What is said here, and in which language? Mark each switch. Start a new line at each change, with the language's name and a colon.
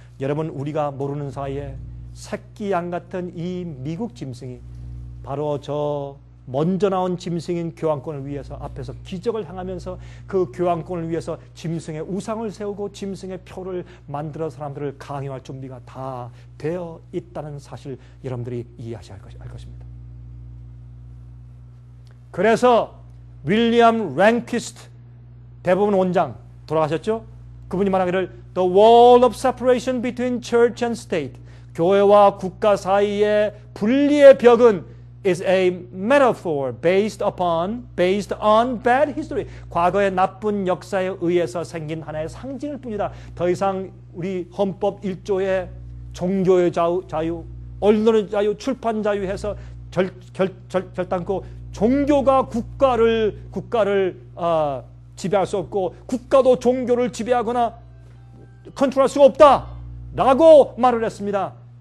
Korean: 여러분, 우리가 모르는 사이에 새끼 양 같은 이 미국 짐승이 바로 저 먼저 나온 짐승인 교황권을 위해서 앞에서 기적을 행하면서 그 교황권을 위해서 짐승의 우상을 세우고 짐승의 표를 만들어 사람들을 강요할 준비가 다 되어 있다는 사실 여러분들이 이해하셔야 할 것입니다. 그래서 윌리엄 랭퀴스트 대법원 원장 돌아가셨죠? 그분이 말하기를
English: The wall of separation between church and state,
Korean: 교회와 국가 사이의 분리의 벽은
English: is a metaphor based on bad history.
Korean: 과거의 나쁜 역사에 의해서 생긴 하나의 상징일 뿐이다. 더 이상 우리 헌법 1조에 종교의 자유, 언론의 자유, 출판 자유 해서 결단코 종교가 국가를 지배할 수 없고 국가도 종교를 지배하거나 컨트롤할 수 없다 라고 말을 했습니다.